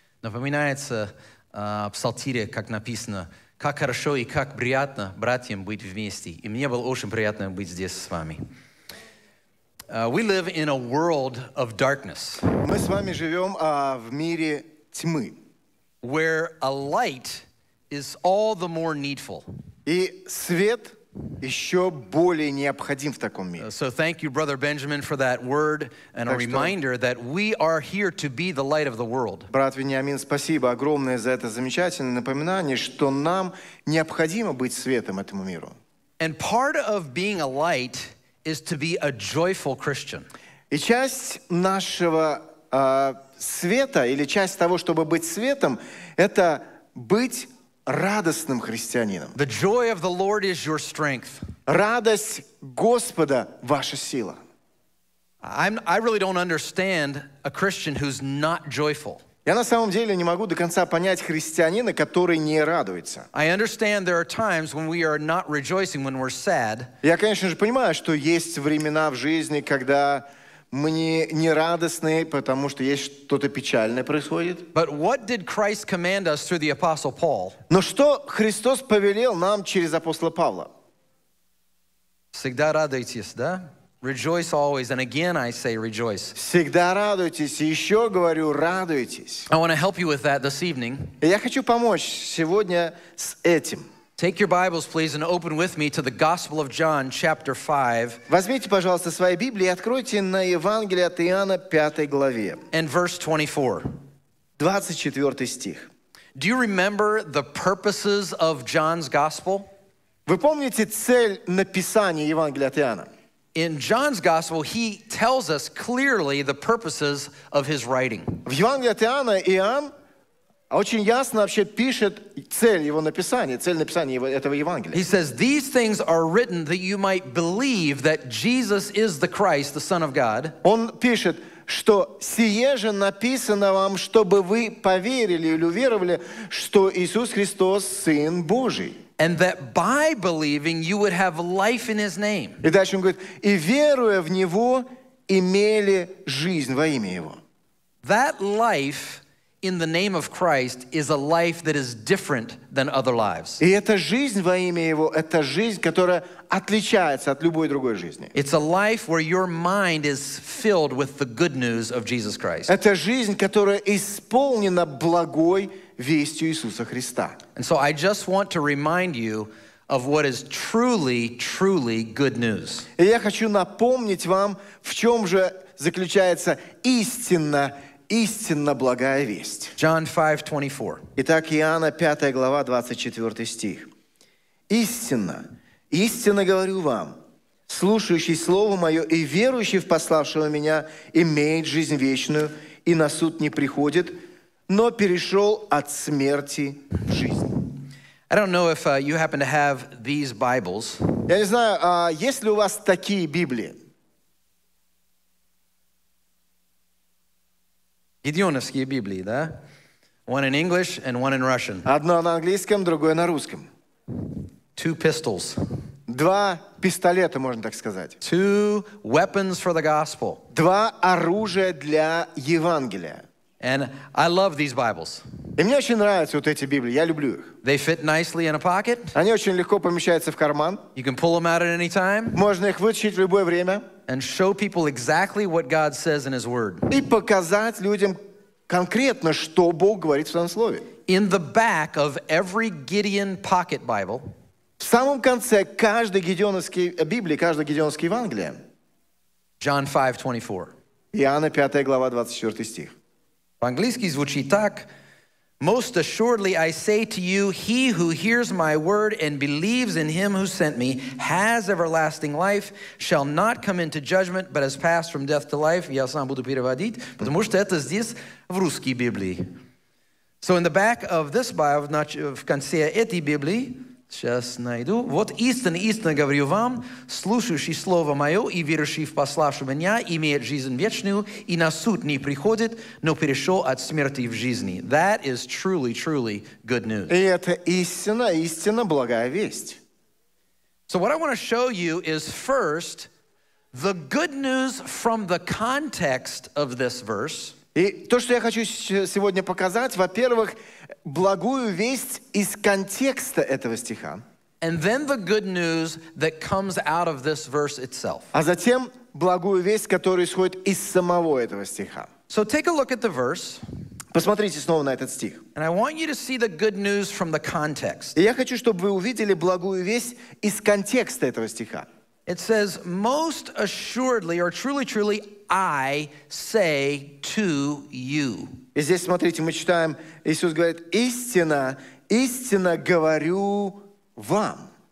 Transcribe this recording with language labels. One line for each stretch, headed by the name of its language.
Russian: Напоминается псалтире, как написано, «Как хорошо и как приятно братьям быть вместе». И мне было очень приятно быть здесь с вами.
English: We live in a world of darkness.
Russian: Мы с вами живем в мире тьмы.
English: Where a light is all the more needful.
Russian: И свет еще более необходим в таком мире.
English: So thank you, brother Benjamin, for that word and
Russian: так
English: a reminder that we are here to be the light of the world.
Russian: Брат Вениамин, спасибо огромное за это замечательное напоминание, что нам необходимо быть светом этому миру.
English: And part of being a light is to be a joyful Christian.
Russian: И часть нашего света или часть того, чтобы быть светом, это быть радостным христианином.
English: The joy of the Lord is your strength.
Russian: Радость Господа — ваша сила.
English: I really don't understand a Christian who's not joyful.
Russian: Я на самом деле не могу до конца понять христианина, который не радуется.
English: I understand there are times when we are not rejoicing, when we're sad.
Russian: Я, конечно же, понимаю, что есть времена в жизни, когда мы не радостны, потому что есть что-то печальное происходит.
English: But what did Christ command us through the Apostle Paul?
Russian: Но что Христос повелел нам через апостола Павла? Всегда радуйтесь, да?
English: Rejoice always, and again I say rejoice.
Russian: Всегда радуйтесь, еще говорю, радуйтесь.
English: I want to help you with that this evening.
Russian: Я хочу помочь сегодня с этим.
English: Take your Bibles, please, and open with me to the Gospel of John, chapter 5.
Russian: Возьмите, пожалуйста, свои Библии и откройте на Евангелие от Иоанна, 5 главе.
English: And verse 24.
Russian: 24 стих.
English: Do you remember the purposes of John's Gospel?
Russian: Вы помните цель написания Евангелия от Иоанна?
English: In John's Gospel, he tells us clearly the purposes of his writing.
Russian: В Евангелии от Иоанна Иоанн очень ясно вообще пишет цель написания этого Евангелия.
English: He says, these things are written that you might believe that Jesus is the Christ, the Son of God.
Russian: Он пишет, что сие же написано вам, чтобы вы поверили или уверовали, что Иисус Христос Сын Божий.
English: And that by believing you would have life in His name.
Russian: И дальше он говорит, и веруя в Него, имели жизнь во имя Его.
English: That life in the name of Christ is a life that is different than other lives.
Russian: И эта жизнь во имя Его, это жизнь, которая отличается от любой другой жизни.
English: It's a life where your mind is filled with the good news of Jesus Christ.
Russian: Это жизнь, которая исполнена благой вестью Иисуса Христа.
English: And so I just want to remind you of what is truly, truly good news.
Russian: И я хочу напомнить вам, в чем же заключается истинно истинно благая весть.
English: John 5:24.
Russian: Итак, Иоанна 5 глава 24 стих. Истинно, истинно говорю вам, слушающий слово мое и верующий в пославшего меня имеет жизнь вечную и на суд не приходит, но перешел от смерти в жизнь.
English: I don't know if you happen to have these Bibles.
Russian: Я не знаю, есть ли у вас такие Библии? Гедеоновские Библии, да?
English: One in English and one in Russian.
Russian: Одно на английском, другое на русском.
English: Two pistols.
Russian: Два пистолета, можно так сказать.
English: Two weapons for the gospel.
Russian: Два оружия для Евангелия.
English: And I love these Bibles.
Russian: И мне очень нравятся вот эти Библии, я люблю их.
English: They fit nicely in a pocket.
Russian: Они очень легко помещаются в карман.
English: You can pull them out at any time.
Russian: Можно их вытащить в любое время.
English: And show people exactly what God says in His Word.
Russian: И показать людям конкретно, что Бог говорит в своем слове.
English: In the back of every Gideon pocket Bible.
Russian: В самом конце каждой гедеоновской Библии, каждой гедеоновской Евангелия.
English: John 5:24.
Russian: Иоанна 5 глава 24 стих. По-английски звучит так.
English: Most assuredly I say to you, he who hears my word and believes in him who sent me has everlasting life, shall not come into judgment, but has passed from death to life.
Russian: Я сам буду переводить, потому что это здесь в русской Библии.
English: So in the back of this Bible,
Russian: в конце этой Библии, Сейчас найду. Вот истинно, истинно говорю вам, слушающий Слово Мое и верующий в пославшего Меня имеет жизнь вечную и на суд не приходит, но перешел от смерти в жизни.
English: That is truly, truly good news.
Russian: И это истинно, истинно благая весть.
English: So what I want to show you is first the good news from the context of this verse.
Russian: И то, что я хочу сегодня показать, во-первых, благую весть из контекста этого стиха.
English: And then the good news that comes out of this verse itself.
Russian: А затем благую весть, которая исходит из самого этого стиха.
English: So take a look at the verse.
Russian: Посмотрите снова на этот стих.
English: And I want you to see the good news from the context.
Russian: И я хочу, чтобы вы увидели благую весть из контекста этого стиха.
English: It says, most assuredly, or truly, truly, I say to you.
Russian: И здесь, смотрите, мы читаем, Иисус говорит, истинно, истинно говорю вам.